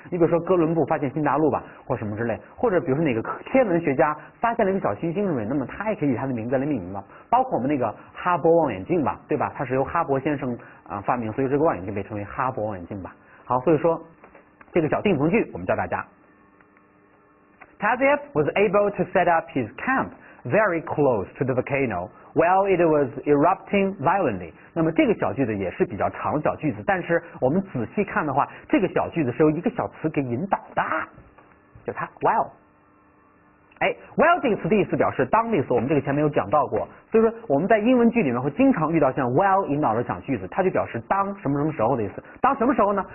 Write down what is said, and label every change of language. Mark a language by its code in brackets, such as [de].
[zh] 你比如说哥伦布发现新大陆吧，或什么之类，或者比如说哪个天文学家发现了一个小行星什么，那么他也可以以他的名字来命名吧。包括我们那个哈勃望远镜吧，对吧，它是由哈勃先生发明，所以这个望远镜被称为哈勃望远镜吧。好，所以说这个小定语从句我们教大家。 [en] Tazieff was able to set up his camp very close to the volcano while it was erupting violently。 [zh] 那么这个小句子也是比较长的小句子，但是我们仔细看的话，这个小句子是由一个小词给引导的，就它 while。哎 while 这个词的意思表示当的意思，我们这个前面有讲到过。所以说我们在英文句里面会经常遇到像 while 引导的小句子，它就表示当什么什么时候的意思。当什么时候呢？